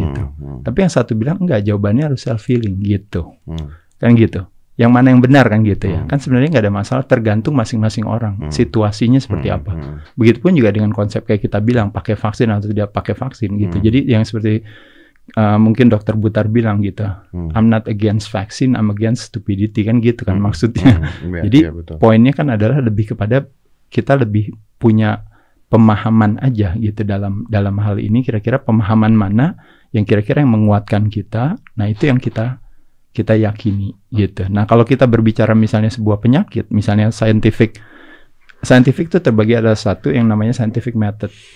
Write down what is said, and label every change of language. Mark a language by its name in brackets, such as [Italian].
[Indonesian] Gitu. Tapi yang satu bilang, enggak, jawabannya harus self-healing. Gitu. Kan gitu. Yang mana yang benar kan gitu ya. Kan sebenarnya enggak ada masalah, tergantung masing-masing orang. Situasinya seperti apa. Begitupun juga dengan konsep kayak kita bilang, pakai vaksin atau tidak pakai vaksin gitu. Jadi yang seperti mungkin Dr. [English] Butar [Indonesian] bilang gitu, [English] I'm not against vaksin, I'm against stupidity. [Indonesian] Kan gitu kan maksudnya. Jadi poinnya kan adalah lebih kepada kita lebih punya pemahaman aja gitu dalam hal ini, kira-kira pemahaman mana yang kira-kira yang menguatkan kita, nah itu yang kita yakini gitu. Nah kalau kita berbicara misalnya sebuah penyakit, misalnya scientific itu terbagi ada satu yang namanya scientific method.